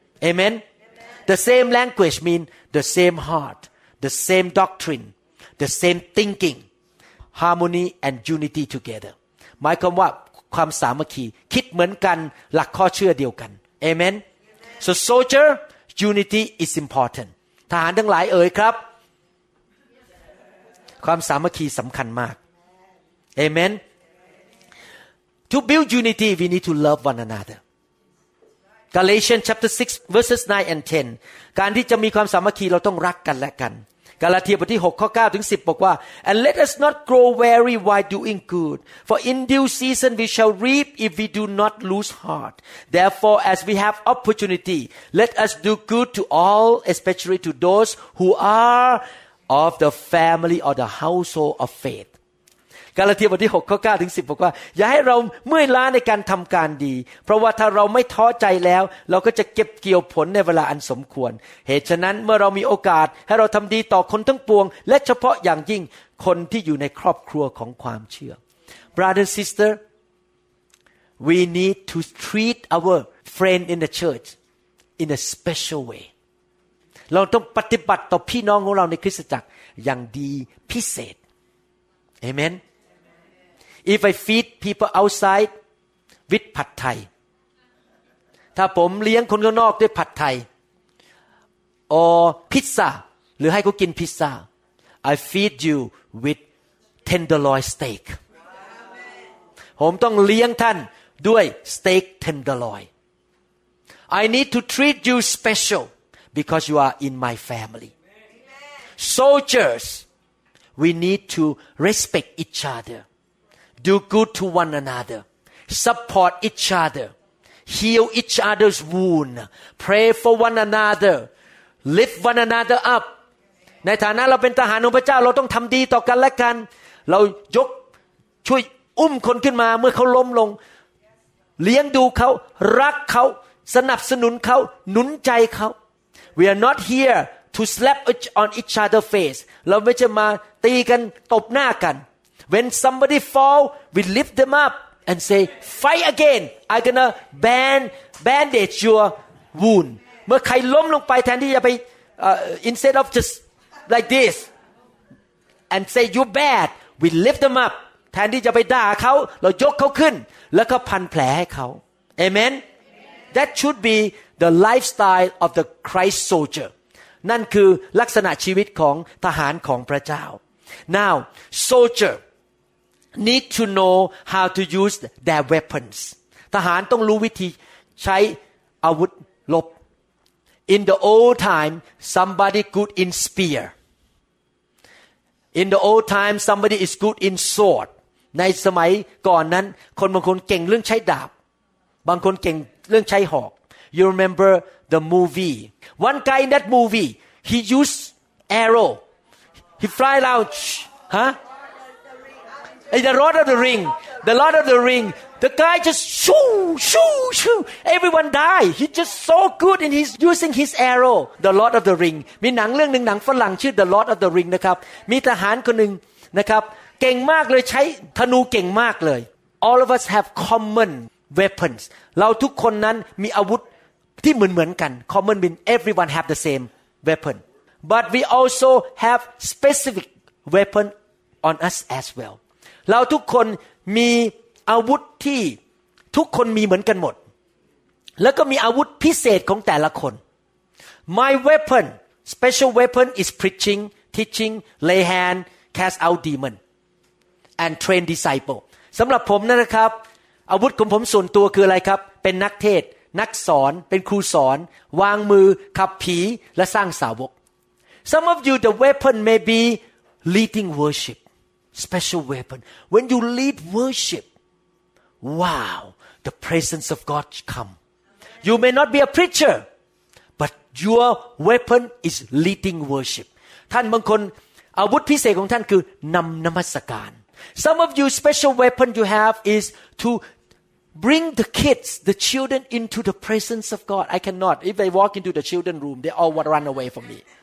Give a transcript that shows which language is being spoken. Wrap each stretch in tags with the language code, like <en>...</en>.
<en>Amen. The same language means the same heart, the same doctrine, the same thinking, harmony and unity together.</en> <th>หมายความว่าความสามัคคีคิดเหมือนกันหลักข้อเชื่อเดียวกัน</th> <en>Amen. So soldier, unity is important.</en> <th>ทหารทั้งหลายเอ๋ยครับความสามัคคีสำคัญมากเอเมน</th> <en>To build unity we need to love one another Galatians chapter 6 verses 9 and 10</en> <th>การที่จะมีความสามัคคีเราต้องรักกันและกันกาลาเทียบทที่6ข้อ9ถึง10บอกว่า</th> <en>And let us not grow weary while doing good for in due season we shall reap if we do not lose heart therefore as we have opportunity let us do good to all especially to those who are of the family or the household of faith</en> <th>กาลาเทียบทที่6ข้อ9ถึง10บอกว่าอย่าให้เราเมื่อยล้าในการทำการดีเพราะว่าถ้าเราไม่ท้อใจแล้วเราก็จะเก็บเกี่ยวผลในเวลาอันสมควรเหตุฉะนั้นเมื่อเรามีโอกาสให้เราทำดีต่อคนทั้งปวงและเฉพาะอย่างยิ่งคนที่อยู่ในครอบครัวของความเชื่อ</th> <en>Brother sister we need to treat our friend in the churchin a special way</en> <th>เราต้องปฏิบัติต่อพี่น้องของเราในคริสตจักรอย่างดีพิเศษ</th> <en>Amen If I feed people outside with</en> <th>ผัดไทยถ้าผมเลี้ยงคนข้างนอกด้วยผัดไทย</th> <en>or pizza</en> <th>หรือให้เขากินพิซซ่า</th> <en>I feed you with tenderloin steak</en> <th>ผมต้องเลี้ยงท่านด้วยสเต็ก</th> <en>tenderloin I need to treat you special because you are in my family. Soldiers, we need to respect each other, do good to one another, support each other, heal each other's wound, pray for one another, lift one another up.</en> <th>ในฐานะเราเป็นทหารของพระเจ้าเราต้องทำดีต่อกันและกันเรายกช่วยอุ้มคนขึ้นมาเมื่อเขาล้มลงเลี้ยงดูเขารักเขาสนับสนุนเขาหนุนใจเขา</th> <en>We are not here to slap on each other face</en> <th>เราไม่ใช่มาตีกันตบหน้ากัน</th> <en>When somebody fall we lift them up and say fight again I'm gonna bandage your wound</en> <th>เมื่อใครล้มลงไปแทนที่จะไป</th> <en>instead of just like this and say you bad we lift them up</en> <th>แทนที่จะไปด่าเขาเรายกเขาขึ้นแล้วก็พันแผลให้เขา</th> <en>AmenThat should be the lifestyle of the Christ soldier.</en> <th>นั่นคือลักษณะชีวิตของทหารของพระเจ้า</th> <en>Now, soldier need to know how to use their weapons.</en> <th>ทหารต้องรู้วิธีใช้อาวุธรบ</th> <en>In the old time, somebody good in spear. In the old time, somebody is good in sword.</en> <th>ในสมัยก่อนนั้นคนบางคนเก่งเรื่องใช้ดาบบางคนเก่งเรื่องใช้หอก</th> <en>You remember the movie One guy in that movie He used arrow He fly around Huh? The Lord of the Ring The guy just shoo, shoo, shoo Everyone die He just so good And he's using his arrow</en> <th>The Lord of the Ring มีหนังเรื่องหนึ่งหนังฝรั่งชื่อ The Lord of the Ring นะครับ มีทหารคนหนึ่งนะครับเก่งมากเลยใช้ธนูเก่งมากเลย</th> <en>All of us have commonweapons</en> <th>เราทุกคนนั้นมีอาวุธที่เหมือนกัน</th> <en>common mean everyone have the same weapon but we also have specific weapon on us as well</en> <th>เราทุกคนมีอาวุธที่ทุกคนมีเหมือนกันหมดแล้วก็มีอาวุธพิเศษของแต่ละคน</th> <en>my weapon special weapon is preaching teaching lay hand cast out demon and train disciple</en> <th>สำหรับผมนะครับอาวุธของผมส่วนตัวคืออะไรครับเป็นนักเทศนักสอนเป็นครูสอนวางมือขับผีและสร้างสาวก</th> <en>Some of you the weapon may be leading worship special weapon when you lead worship wow the presence of God come you may not be a preacher but your weapon is leading worship</en> <th>ท่านบางคนอาวุธพิเศษของท่านคือนำนมัสการ</th> <en>Some of you special weapon you have is to bring the kids, the children into the presence of God. I cannot. If I walk into the children's room, they all would run away from me.</en>